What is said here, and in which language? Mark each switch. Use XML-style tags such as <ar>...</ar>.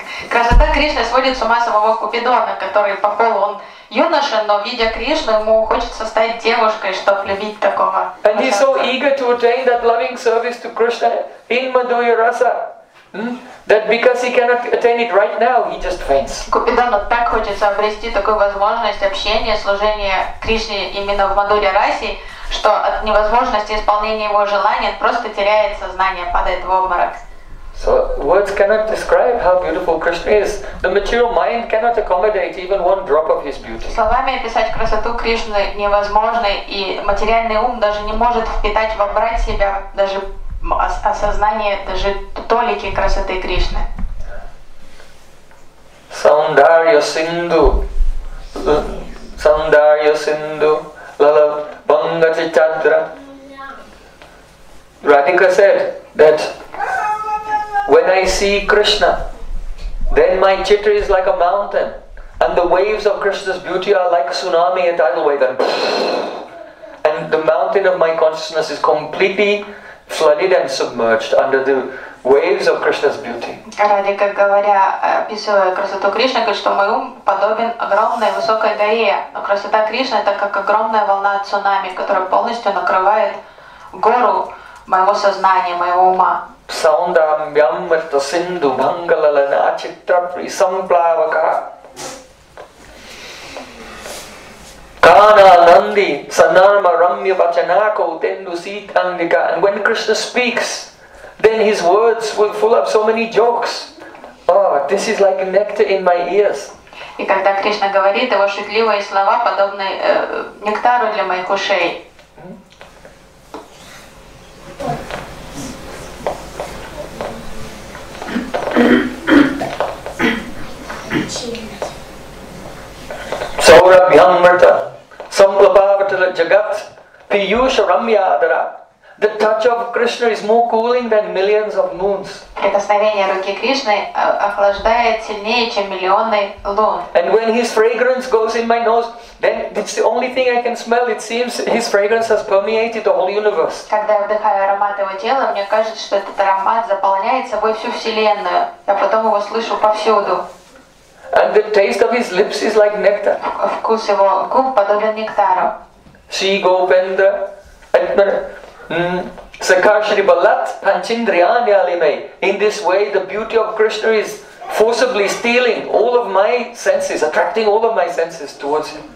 <ru>Красота Кришны сводит с ума самого Купидона, который по полу он юноша, но видя Кришну, ему хочется стать девушкой, чтобы любить такого.</ru> <en>And he's so eager to attain that loving service to Krishna in Madhurya Rasa. That because he cannot attain it right now, he just faints.</en> <ru>Купидону так хочется обрести такую возможность общения, служения Кришне именно в Мадуре Расе, что от невозможности исполнения его желаний просто теряет сознание, падает в обморок.</ru> <en>So words cannot describe how beautiful Krishna is. The material mind cannot accommodate even one drop of his beauty.</en> <ru>Словами описать красоту Кришны невозможно, и материальный ум даже не может впитать, вобрать в себя даже осознание даже толики красоты Кришны.</ru> <sa>Саундарья Синду, Саундарья Синду, Лала Банга Чичадра.</sa> <en>Радика said that when I see Krishna, then my chitta is like a mountain, and the waves of Krishna's beauty are like tsunami, a tidal wave, and the mountain of my consciousness is completely flooded and submerged under the waves of Krishna's beauty.</en> <ru>Ради, как говоря, описывая красоту Кришны, говорит, что мой ум подобен огромной высокой горе. Но красота Кришны — это как огромная волна цунами, которая полностью накрывает гору моего сознания, моего ума.</ru> <sa>Саундарьям мрита синду мангалалана читрапри самплавака. Kana Nandi Sanarma Ramya Vachanako Tendu Sitandika.</sa> <en>And when Krishna speaks, then his words will full up so many jokes. Oh, this is like nectar in my ears.</en> <ru>И когда Кришна говорит, его шутливые слова подобны нектару для моих ушей.</ru> <sa>Saurabhyam Mrita Samplabhavatala Jagat Piyush Ramyadara.</sa> <en>The touch of Krishna is more cooling than millions of moons.</en> <ru>Прикосновение руки Кришны охлаждает сильнее, чем миллионы лун.</ru> <en>And when his fragrance goes in my nose, then it's the only thing I can smell. It seems his fragrance has permeated the whole universe.</en> <ru>Когда я вдыхаю аромат его тела, мне кажется, что этот аромат заполняет собой всю вселенную. Я потом его слышу повсюду.</ru> <en>And the taste of his lips is like nectar.</en> <ru>Вкус его губ подобен нектару.</ru> <sa>Sri Govinda, Sakashri Balat Panchindriyani Alime.</sa> <en>In this way, the beauty of Krishna is forcibly stealing all of my senses, attracting all of my senses towards him.</en>